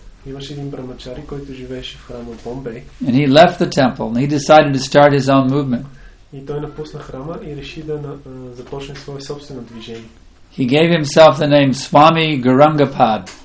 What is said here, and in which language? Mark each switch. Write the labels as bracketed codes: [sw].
[bg] Имаше един брамачари, който живееше в храма в Бомбей. [en] And he left the temple and he decided to start his own movement. [bg] И той напусна храма и реши да започне свое собствено движение. [en] He gave himself the name Swami Gaurangapad.